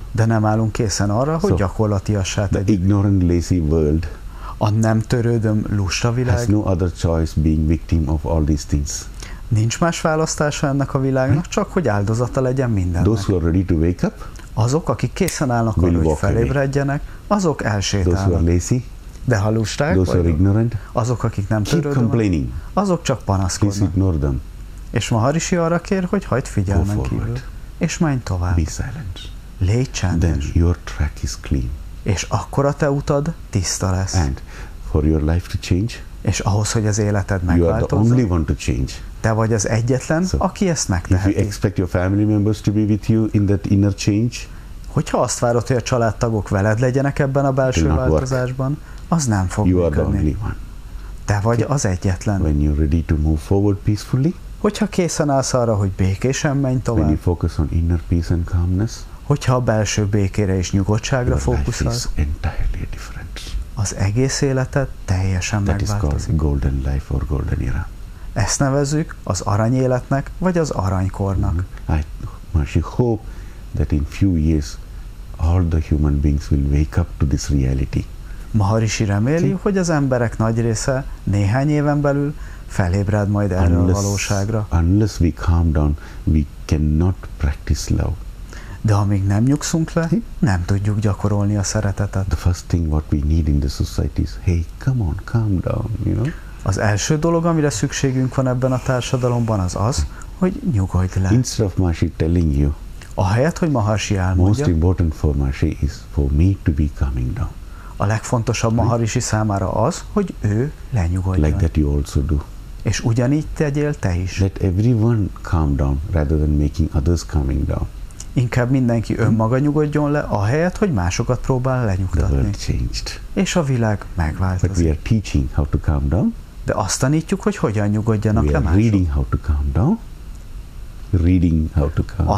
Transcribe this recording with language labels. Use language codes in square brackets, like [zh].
[hu] De nem állunk készen arra, hogy gyakorlatiassá tegyük. [en] The ignorant, lazy world. [hu] A nem törődöm, lusta világ. [en] Has no other choice being victim of all these things. [hu] Nincs más választása ennek a világnak, csak hogy áldozata legyen mindennek. [en] Those who are ready to wake up. [hu] Azok, akik készen állnak arra, hogy felébredjenek, azok elsétálnak. [en] Those who are lazy. [hu] De ha lusták [en] those [hu] vagyok. [en] Are ignorant. [hu] Azok, akik nem törődöm. [en] Keep complaining. [hu] Azok csak panaszkodnak. [en] Please ignore them. [hu] És Maharishi arra kér, hogy hagyd figyelmen kívül. És menj tovább. [en] Be silent. [hu] Légy csendes. [en] Then your track is clean. [hu] És akkor a te utad tiszta lesz. [en] And for your life to change. [hu] És ahhoz, hogy az életed megváltozzon. [en] You are the only one to change. [hu] Te vagy az egyetlen, so, aki ezt megteheti. [en] If you expect your family members to be with you in that inner change. [hu] Hogyha azt várod, hogy a családtagok veled legyenek ebben a belső változásban, az nem fog [en] you [hu] működni. [en] Are the only one. [hu] Te vagy az egyetlen. [en] When you're ready to move forward peacefully. [hu] Hogyha készen állsz arra, hogy békésen menj tovább. [en] When you focus on inner peace and calmness. [hu] Hogyha a belső békére és nyugodtságra fókuszálsz. [en] Your life is entirely different. [hu] Az egész életed teljesen [en] that [hu] megváltozik. [en] That is called golden life or golden era. [hu] Ezt nevezzük az aranyéletnek vagy az aranykornak. [en] I hope that in few years all the human beings will wake up to this reality. [hu] Maharishi reméli, hogy az emberek nagy része néhány éven belül felébred majd erre a valóságra. [en] Unless we calm down, we cannot practice love. [hu] De amíg nem nyugszunk le, nem tudjuk gyakorolni a szeretetet. [en] The first thing what we need in the society is, hey, come on, calm down, you know? [hu] Az első dolog, amire szükségünk van ebben a társadalomban, az az, hogy nyugodj le. [en] Instead of Maharishi telling you, [hu] ahelyett, hogy Maharishi elmondja, [en] most important for Maharishi is for me to be calming down. [hu] A legfontosabb Maharishi számára az, hogy ő lenyugodjon. [en] Like that you also do. [hu] És ugyanígy tegyél te is. [en] Let everyone calm down rather than making others calming down. [hu] Inkább mindenki önmaga nyugodjon le, ahelyett, hogy másokat próbál lenyugtatni. [en] The world changed. [hu] És a világ megváltozik. [en] But we are teaching how to calm down. [hu] De azt tanítjuk, hogy hogyan nyugodjanak le mások. [en] Reading how to calm down. Reading how to calm down.